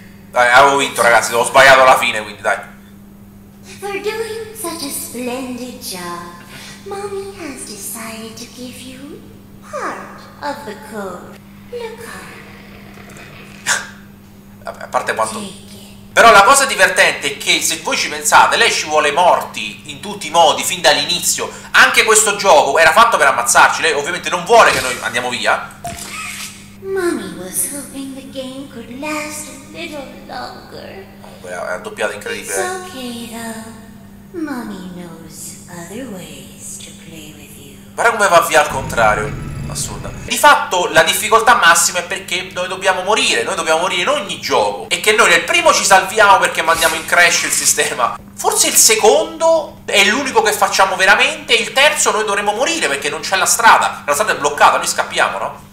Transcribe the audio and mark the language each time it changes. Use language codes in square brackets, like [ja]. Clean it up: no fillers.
[it] Dai, avevo vinto, ragazzi, ho sbagliato alla fine, quindi dai. [en] For doing such a splendid job, Mommy has decided to give you part of the code. Look [it] up. A parte quanto... Però la cosa divertente è che, se voi ci pensate, lei ci vuole morti in tutti i modi, fin dall'inizio. Anche questo gioco era fatto per ammazzarci, lei ovviamente non vuole che noi andiamo via. [en] Mommy was hoping the game could last a little longer. [it] È una doppiata incredibile. [en] It's okay though. Mommy knows other ways to play with you. [it] Guarda come va via al contrario. Assurda. Di fatto la difficoltà massima è perché noi dobbiamo morire in ogni gioco. E che noi nel primo ci salviamo perché mandiamo in crash il sistema. Forse il secondo è l'unico che facciamo veramente. Il terzo noi dovremmo morire perché non c'è la strada è bloccata, noi scappiamo, no?